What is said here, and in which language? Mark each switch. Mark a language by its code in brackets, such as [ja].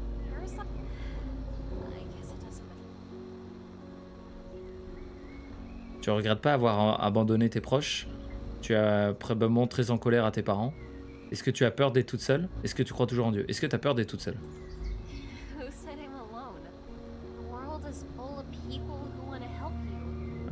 [en] Or something? I guess it doesn't matter. [fr] Tu regrettes pas avoir abandonné tes proches? Tu as probablement très en colère à tes parents? Est-ce que tu as peur d'être toute seule? Est-ce que tu crois toujours en Dieu? Est-ce que tu as peur d'être toute seule? [en] Who said I'm alone? The world is full of people who want to help you.